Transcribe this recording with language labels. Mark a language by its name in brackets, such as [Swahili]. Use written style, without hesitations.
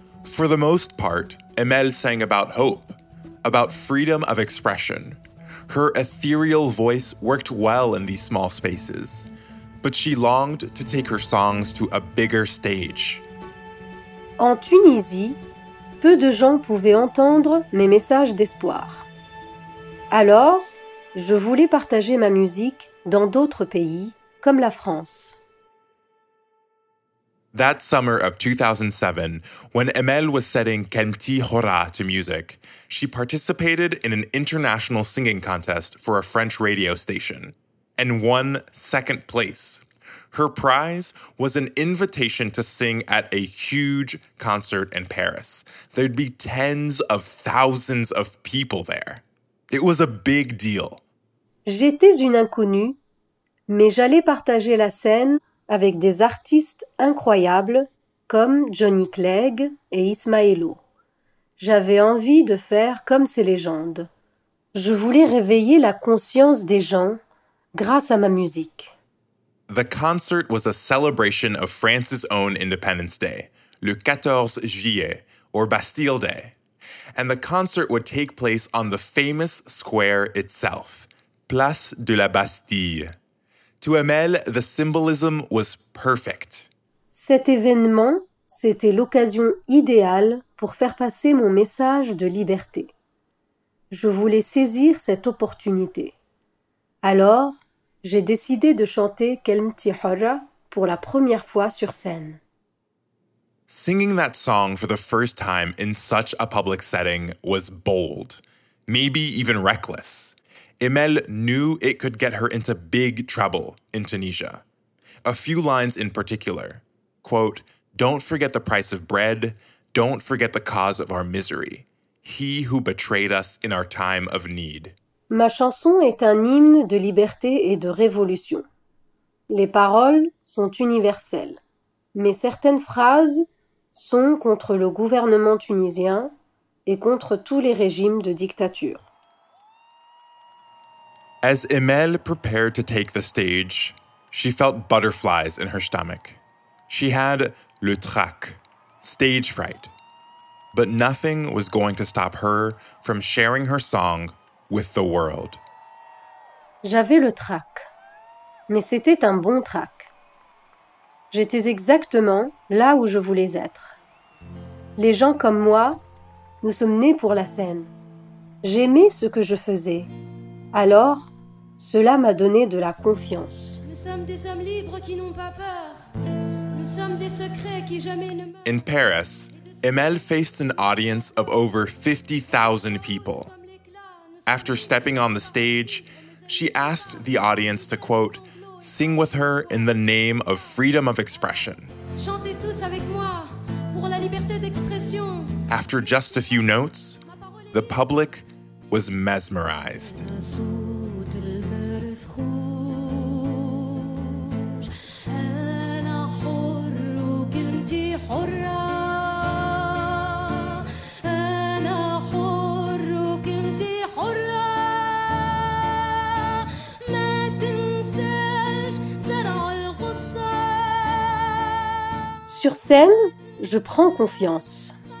[English] For the most part, Emel sang about hope, about freedom of expression. Her ethereal voice worked well in these small spaces, but she longed to take her songs to a bigger stage. [French] En Tunisie, peu de gens pouvaient entendre mes messages d'espoir. Alors, je voulais partager ma musique dans d'autres pays, comme la France. [English] That summer of 2007, when Emel was setting Kemti Hora to music, she participated in an international singing contest for a French radio station and won second place. Her prize was an invitation to sing at a huge concert in Paris. There'd be tens of thousands of people there. It was a big deal. [French] J'étais une inconnue, mais j'allais partager la scène avec des artistes incroyables comme Johnny Clegg et Ismaëlo. J'avais envie de faire comme ces légendes. Je voulais réveiller la conscience des gens grâce à ma musique. [English] The concert was a celebration of France's own Independence Day, [French] le 14 juillet, [English] or Bastille Day. And the concert would take place on the famous square itself, Place de la Bastille. To Emel, the symbolism was perfect. [French] Cet événement, c'était l'occasion idéale pour faire passer mon message de liberté. Je voulais saisir cette opportunité. Alors, j'ai décidé de chanter Kelmti Hora pour la première fois sur scène. [English] Singing that song for the first time in such a public setting was bold, maybe even reckless. Emel knew it could get her into big trouble in Tunisia. A few lines in particular, quote, "Don't forget the price of bread, don't forget the cause of our misery, he who betrayed us in our time of need." [French] Ma chanson est un hymne de liberté et de révolution. Les paroles sont universelles, mais certaines phrases sont contre le gouvernement tunisien et contre tous les régimes de dictature. [English] As Emel prepared to take the stage, she felt butterflies in her stomach. She had [French] le trac, [English] stage fright. But nothing was going to stop her from sharing her song with the world. [French] J'avais le trac, mais c'était un bon trac. J'étais exactement là où je voulais être. Les gens comme moi, nous sommes nés pour la scène. J'aimais ce que je faisais. Alors, cela m'a donné de la confiance. Nous sommes des hommes libres qui n'ont pas peur. Nous sommes des secrets qui jamais ne meurent. [English] In Paris, Emel faced an audience of over 50,000 people. After stepping on the stage, she asked the audience to, quote, sing with her in the name of freedom of expression. [French] Chantez tous avec moi pour la liberté d'expression. [English] After just a few notes, the public was mesmerized. [French] Sur scène, je prends confiance.